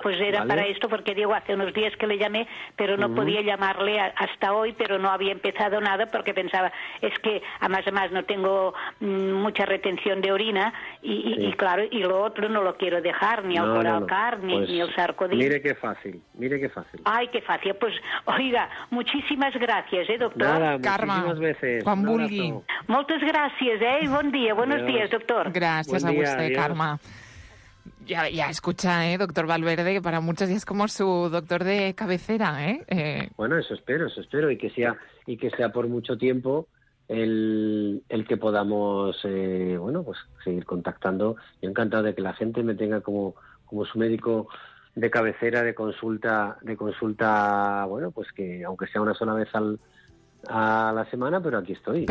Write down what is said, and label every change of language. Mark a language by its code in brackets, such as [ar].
[es] Pues era para esto, porque digo, hace unos días que le llamé, pero no podía llamarle hasta hoy, pero no había empezado nada, porque pensaba, es que además no tengo mucha retención de orina, y lo otro no lo quiero dejar, ni al coralcar, ni el sarcodil. Mire qué fácil. Ay, qué fácil. Pues, oiga, muchísimas gracias, doctor. Nada, muchísimas veces. [ca] Quan vulgui. Moltes gràcies, bon dia, [es] buenos días, doctor. [ca] Gràcies a vostè, Carme. [es] Ya escucha, doctor Valverde, que para muchos ya es como su doctor de cabecera, Bueno, eso espero, y que sea por mucho tiempo el que podamos, seguir contactando. Yo encantado de que la gente me tenga como su médico de cabecera, de consulta, bueno, pues que aunque sea una sola vez a la semana, pero aquí estoy.